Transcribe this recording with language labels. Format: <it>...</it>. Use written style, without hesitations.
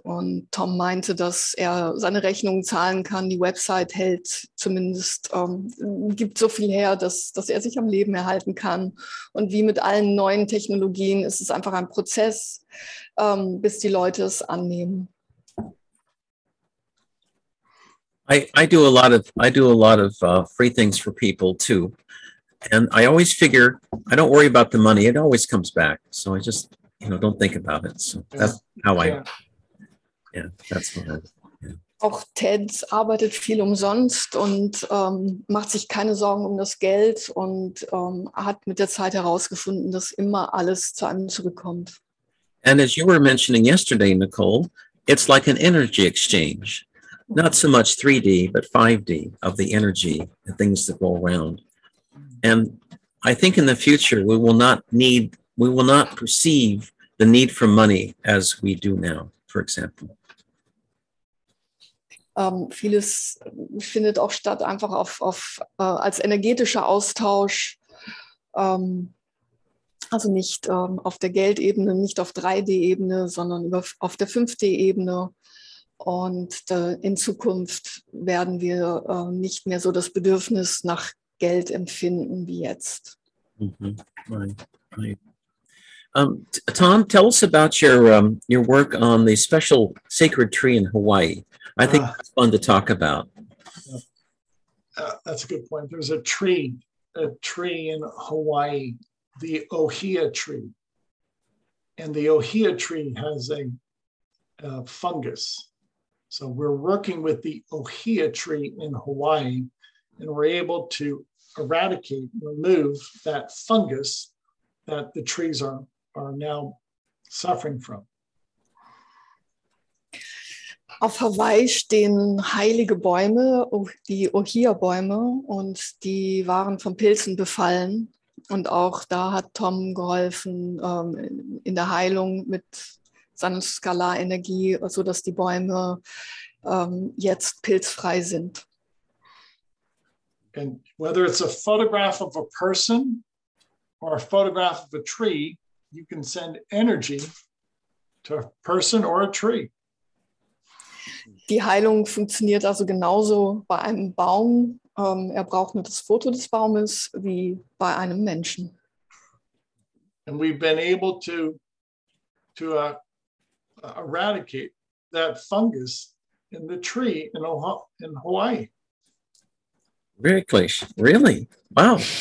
<de>Und Tom meinte, dass er seine Rechnungen zahlen kann, die Website hält zumindest, gibt so viel her, dass er sich am Leben erhalten kann. Und wie mit allen neuen Technologien ist es einfach ein Prozess, bis die Leute es annehmen.</de> <en>I do a lot of free things for people too. And I always figure, I don't worry about the money. It always comes back. So I just, you know, don't think about it. So that's how I, that's what I,</en> <de>Auch Ted arbeitet viel umsonst und macht sich keine Sorgen um das Geld und hat mit der Zeit herausgefunden, dass immer alles zu einem zurückkommt.</de> <en>And as you were mentioning yesterday, Nicole, it's like an energy exchange. Not so much 3D, but 5D of the energy, the things that go around. And I think in the future, we will not perceive the need for money as we do now, for example.</en> <de>Vieles findet auch statt einfach auf als energetischer Austausch, also nicht auf der Geldebene, nicht auf 3D-Ebene, sondern auf der 5D-Ebene. Und in Zukunft werden wir nicht mehr so das Bedürfnis nach Geld empfinden wie jetzt.</de> <en>Mm-hmm. Right. Tom, tell us about your work on the special sacred tree in Hawaii. I think that's fun to talk about. That's a good point. There's a tree in Hawaii, the ohia tree. And the ohia tree has a fungus. So we're working with the ohia tree in Hawaii, and we're able to eradicate, remove that fungus that the trees are now suffering from.</en> <de>Auf Hawaii stehen heilige Bäume, die Ohia-Bäume, und die waren von Pilzen befallen. Und auch da hat Tom geholfen in der Heilung mit seiner Skalarenergie, sodass die Bäume jetzt pilzfrei sind.</de> <en>And whether it's a photograph of a person or a photograph of a tree, you can send energy to a person or a tree.</en> <de>Die Heilung funktioniert also genauso bei einem Baum. Er braucht nur das Foto des Baumes wie bei einem Menschen.</de> <en>And we've been able to eradicate that fungus in the tree in Hawaii. Very close. Really? Wow.</en>